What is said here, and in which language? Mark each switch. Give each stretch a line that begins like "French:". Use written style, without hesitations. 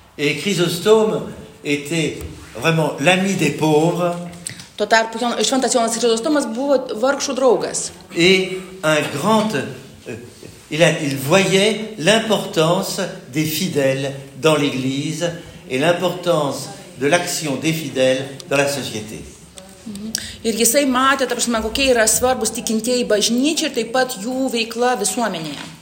French: Et Chrysostome était vraiment l'ami des pauvres.
Lithuanian: Tuo tarpu šventas Jonas Chrysostomas buvo vargšų draugas.
French: Et un grand, il voyait l'importance des fidèles dans l'Église et l'importance de l'action des fidèles dans la société.
Lithuanian: Ir jisai matė, ta prasme, kokie yra svarbus tikintieji bažnyčiai ir taip pat jų veikla visuomenėje.